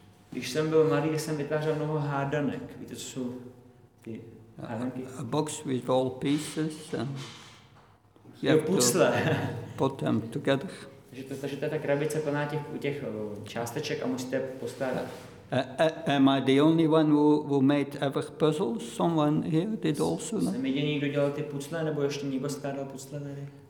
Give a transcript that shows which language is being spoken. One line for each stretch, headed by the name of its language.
Czech: Když jsem byl malý, jsem vytvářel mnoho hádanek. Víte, co jsou ty hádanky?
English: A box with all pieces and you have pusle. To put them together.
Czech: Takže to je ta krabice plná těch částeček a musíte postarat.
English: Am I the only one who made ever puzzles? Someone here did also.
Czech: Jsem jediný, kdo dělal ty puzzle, nebo ještě někdo skládal puzzle tady?